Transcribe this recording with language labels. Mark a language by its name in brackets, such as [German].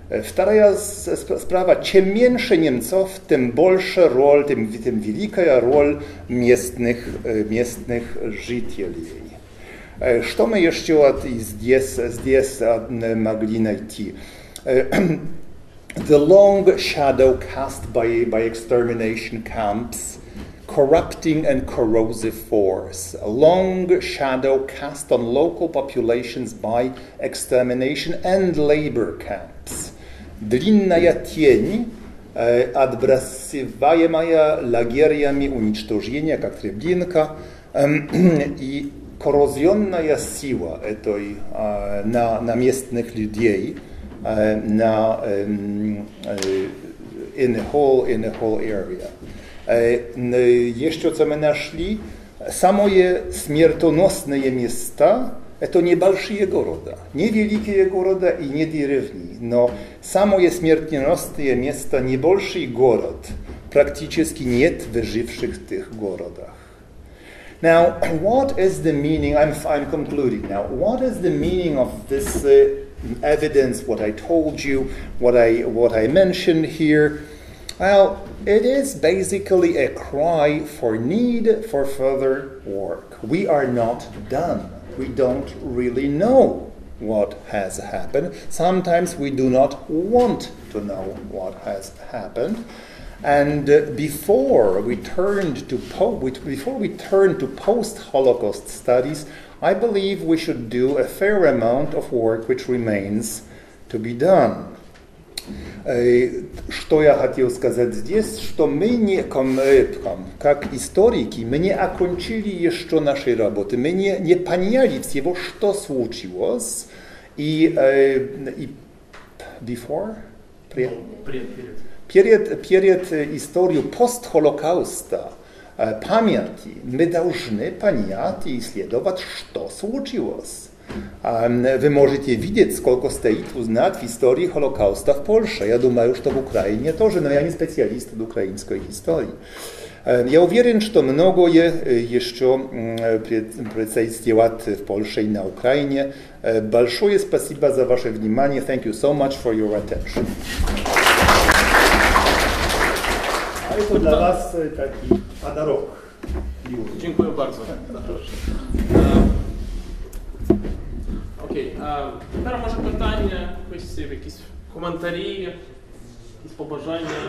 [Russian] Вторая справа, [Ukrainian] чим менше німців, тим більша роль, тим велика роль місцевих жителів. Що ми ще здесь могли знайти? [English] The long shadow cast by extermination camps, corrupting and corrosive force. A long shadow cast on local populations by extermination and labor camps. [Russian] Длинная тень, отбрасываемая лагерями уничтожения, как Треблинка, и коррозионная сила этой на местных людей, на [English] in the whole area. [Russian] Еще что мы нашли, самые смертоносные места это небольшие города, невеликие города и не деревни, но самые смертоносные места, небольший город, практически нет выживших в тех городах. [English] Now, what is the meaning, I'm concluding now, what is the meaning of this evidence, what I told you, what I mentioned here? Well, it is basically a cry for need for further work. We are not done. We don't really know what has happened. Sometimes we do not want to know what has happened. And before we turn to post-Holocaust studies, I believe we should do a fair amount of work which remains to be done. [Russian] Что я хотел сказать здесь, что мы не, как историки, мы не окончили еще нашей работы, мы не поняли всего, что случилось, перед историю пост-Холокауста, памяти, мы должны понять и исследовать, что случилось. Вы можете видеть, сколько стоит узнать в истории Холокауста в Польше. Я думаю, что в Украине тоже, но я не специалист в украинской истории. Я уверен, что многое еще предстоит сделать в Польше и на Украине. Большое спасибо за ваше внимание. [English] Thank you so much for your attention. [Russian] А это для вас такой подарок. [Ukrainian] Дякую дуже. Окей, тепер може питання, якісь коментарі, якісь побажання.